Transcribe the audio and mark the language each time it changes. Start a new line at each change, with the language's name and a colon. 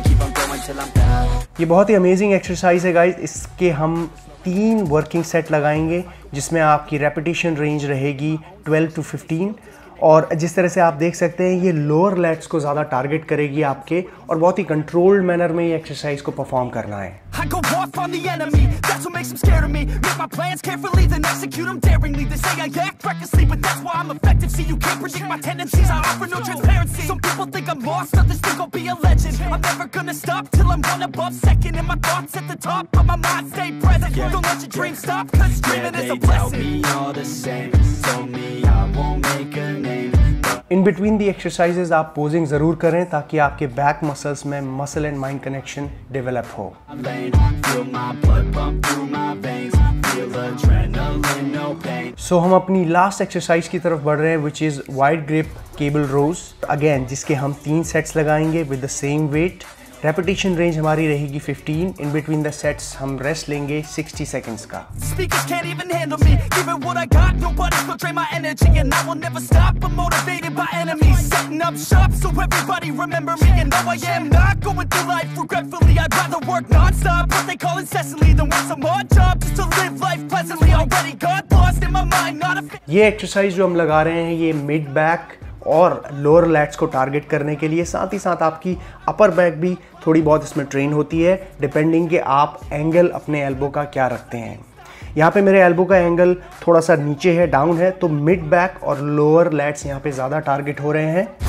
Hindi: ये बहुत ही amazing exercise है guys. इसके हम 3 working set लगाएंगे, जिसमें आपकी repetition range रहेगी 12-15. और जिस तरह से आप देख सकते हैं ये लोअर लैट्स को ज़्यादा टारगेट करेगी आपके, और बहुत ही कंट्रोल्ड मैनर में ये एक्सरसाइज को परफॉर्म करना है.
English: I go off on the enemy, that's what makes them scared of me. Make my plans carefully, then execute them daringly. They say I act recklessly, but that's why I'm effective. See, you can't predict my tendencies, I offer no transparency. Some people think I'm lost, others think I'll be a legend. I'm never gonna stop till I'm one above second. And my thoughts at the top of my mind stay present. Don't let your dreams stop, cause dreaming is a blessing. Yeah, they tell me all the same, told me I won't make a name.
Hindi: In between the exercises आप posing जरूर करें ताकि आपके back muscles में muscle and mind connection develop हो. सो हम अपनी last exercise की तरफ बढ़ रहे हैं,
English: Which is wide grip cable rows.
Hindi: Again जिसके हम 3 सेट्स लगाएंगे
English: With the same weight.
Hindi: Repetition range हमारी रहेगी 15.
English: In between the sets
Hindi: हम rest लेंगे 60 seconds का.
English: Speakers can't even handle me. Give it what I got, nobody can drain my energy, and I will never stop. I'm motivated by enemies, setting up shop so everybody remember me. And now I am not going through life regretfully. I'd rather work nonstop, what they call incessantly, than work some odd job just to live life pleasantly. Already got lost in my mind, not a.
Hindi: ये exercise जो हम लगा रहे हैं ये mid back और lower let's को target करने के लिए, साथ ही साथ आपकी अपर बैक भी थोड़ी बहुत इसमें ट्रेन होती है, डिपेंडिंग कि आप एंगल अपने एल्बो का क्या रखते हैं. यहाँ पे मेरे एल्बो का एंगल थोड़ा सा नीचे है, डाउन है, तो मिड बैक और लोअर लैट्स यहाँ पे ज़्यादा टारगेट हो रहे हैं.